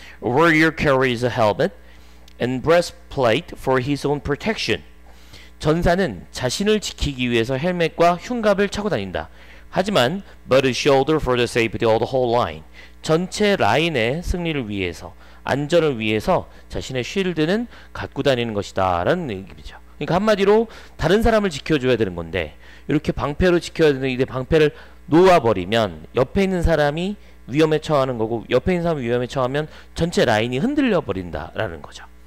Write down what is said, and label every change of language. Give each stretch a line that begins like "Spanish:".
English: Warrior carries a helmet and breastplate for his own protection.
Korean: 전사는 자신을 지키기 위해서 헬멧과 흉갑을 차고 다닌다. 하지만
English: but a shoulder for the safety of the whole line.
Korean: 전체 라인의 승리를 위해서, 안전을 위해서 자신의 쉴드는 갖고 다니는 것이다 라는 얘기죠. 그러니까 한마디로 다른 사람을 지켜줘야 되는 건데, 이렇게 방패로 지켜야 되는데 방패를 놓아버리면 옆에 있는 사람이 위험에 처하는 거고, 옆에 있는 사람이 위험에 처하면 전체 라인이 흔들려 버린다라는 거죠.